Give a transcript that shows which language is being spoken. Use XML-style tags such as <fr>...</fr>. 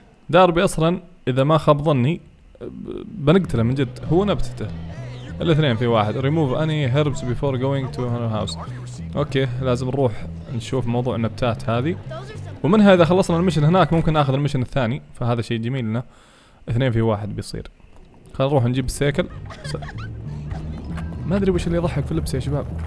<ar>داربي اصلا اذا ما خاب ظني بنقتله من جد. هو نبتته. الاثنين في واحد.</ar> <en>Remove any herbs before going to her house.</en> <ar>اوكي لازم نروح نشوف موضوع النبتات هذه. ومنها اذا خلصنا المشن هناك ممكن ناخذ المشن الثاني. فهذا شيء جميل لنا. اثنين في واحد بيصير. خلنا نروح نجيب السيكل. ما ادري وش اللي يضحك في اللبس يا شباب.</ar>